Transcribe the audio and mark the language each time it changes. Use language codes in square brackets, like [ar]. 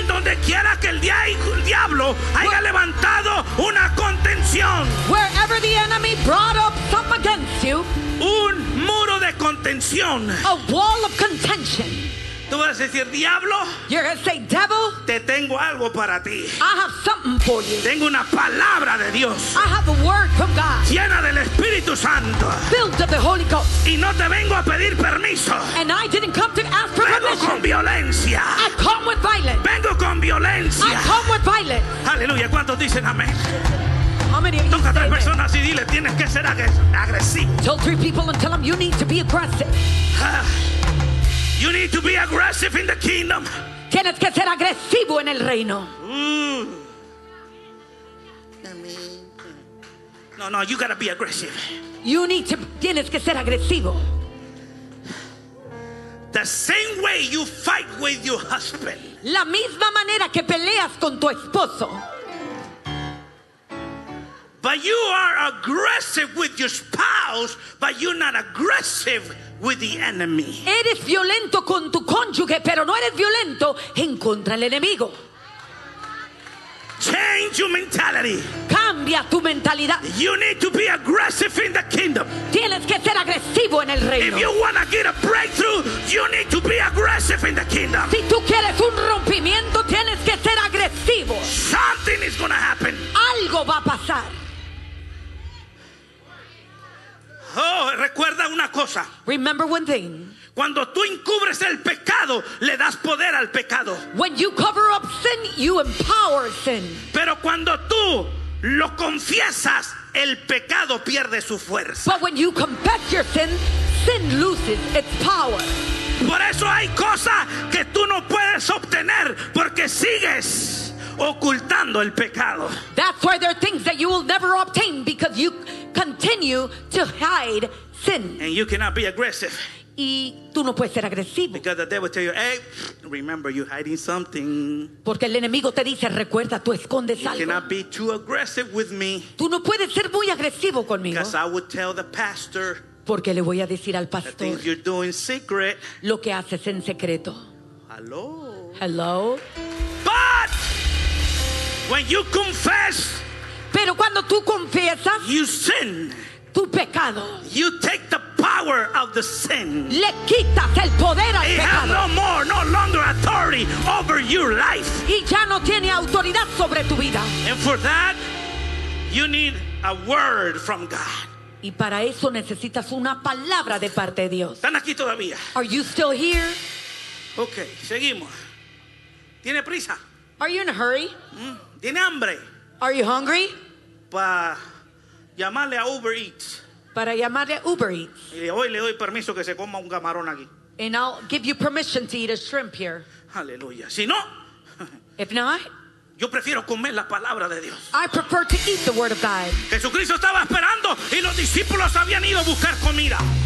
[es] En donde quiera que el diablo haya levantado una contención. [en] Wherever the enemy brought up some against you. [es] Un muro de contención. [en] A wall of contention. [es] Tú vas a decir, diablo. [en] You're going to say, devil. [es] Te tengo algo para ti. [en] I have something for you. [es] Tengo una palabra de Dios. [en] I have a word from God. [es] Llena del Espíritu Santo. [en] Filled of the Holy Ghost. [es] Y no te vengo a pedir permiso. [en] And I didn't come to ask for permission. [es] Vengo con violencia. [en] I come with violence. [es] Vengo con violencia. [en] I come with violence. [es] Aleluya, ¿cuántos dicen amén? [en] How many of you [es] toca a tres personas y dile, tienes que ser agresivo. [en] Tell three people and tell them you need to be aggressive. You need to be aggressive in the kingdom. [es] Tienes que ser agresivo en el reino. [en] No, no, you gotta be aggressive. You need to, [es] tienes que ser agresivo. [en] The same way you fight with your husband. [es] La misma manera que peleas con tu esposo. [en] But you are aggressive with your spouse, but you're not aggressive with the enemy. [es] Eres violento con tu cónyuge, pero no eres violento en contra del enemigo. [en] Change your mentality. [es] Cambia tu mentalidad. [en] You need to be aggressive in the kingdom. [es] Tienes que ser agresivo en el reino. [en] If you want to get a breakthrough, you need to be aggressive in the kingdom. [es] Si tú quieres un rompimiento, tienes que ser agresivo. [en] Something is going to happen. [es] Algo va a pasar. Oh, recuerda una cosa. [en] Remember one thing. [es] Cuando tú encubres el pecado, le das poder al pecado. [en] When you cover up sin, you empower sin. [es] Pero cuando tú lo confiesas, el pecado pierde su fuerza. [en] But when you confess your sin, sin loses its power. [es] Por eso hay cosas que tú no puedes obtener porque sigues ocultando el pecado. [en] That's why there are things that you will never obtain because you continue to hide sin. And you cannot be aggressive. [es] Y tú no puedes ser agresivo. [en] Because the devil tell you, hey, remember you're hiding something. [es] Porque el enemigo te dice, recuerda, tú escondes [en] you [es] algo. [en] You cannot be too aggressive with me. [es] Tú no puedes ser muy agresivo conmigo. [en] Because I would tell the pastor. [es] Porque le voy a decir al pastor. [en] The things you're doing secret. [es] Lo que haces en secreto. [en] Hello. Hello. But when you confess. [es] Pero cuando tú confiesas, [en] you sin, [es] tu pecado, [en] you take the power of the sin, [es] le quitas el poder al [en] it [es] pecado. [en] It has no more, no longer authority over your life. [es] Y ya no tiene autoridad sobre tu vida. [en] And for that, you need a word from God. [es] Y para eso necesitas una palabra de parte de Dios. ¿Están aquí todavía? [en] Are you still here? [es] Okay, seguimos. ¿Tiene prisa? [en] Are you in a hurry? [es] ¿Tiene hambre? [en] Are you hungry? [es] Para llamarle a Uber Eats. Para llamarle a Uber Eats. Y hoy le doy permiso que se coma un camarón aquí. [en] And I'll give you permission to eat a shrimp here. [es] Aleluya. Si no, [en] if not, [es] yo prefiero comer la palabra de Dios. [en] I prefer to eat the word of God. [es] Jesucristo estaba esperando y los discípulos habían ido a buscar comida.